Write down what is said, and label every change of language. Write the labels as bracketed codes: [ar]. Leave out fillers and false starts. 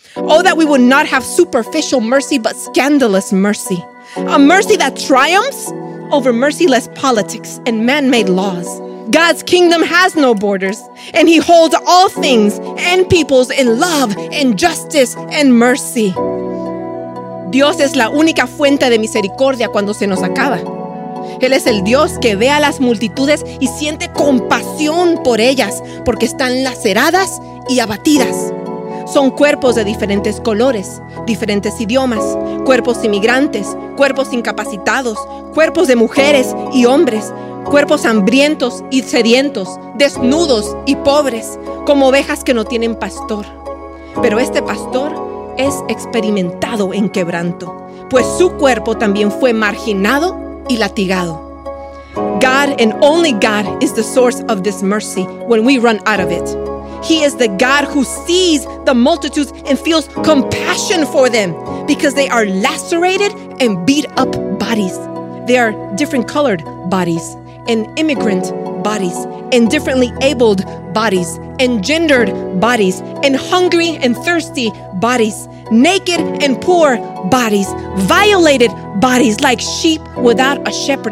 [en] Oh, that we would not have superficial mercy, but scandalous mercy. A mercy that triumphs over merciless politics and man-made laws. God's kingdom has no borders, and he holds all things and peoples in love and justice and mercy. [es] Dios es la única fuente de misericordia cuando se nos acaba. Él es el Dios que ve a las multitudes y siente compasión por ellas, porque están laceradas y abatidas. Son cuerpos de diferentes colores, diferentes idiomas, cuerpos inmigrantes, cuerpos incapacitados, cuerpos de mujeres y hombres, cuerpos hambrientos y sedientos, desnudos y pobres, como ovejas que no tienen pastor. Pero este pastor es experimentado en quebranto, pues su cuerpo también fue marginado y latigado. [en] God and only God is the source of this mercy when we run out of it. He is the God who sees the multitudes and feels compassion for them because they are lacerated and beat up bodies. They are different colored bodies and immigrant bodies and differently abled bodies and gendered bodies and hungry and thirsty bodies, naked and poor bodies, violated bodies, like sheep without a shepherd.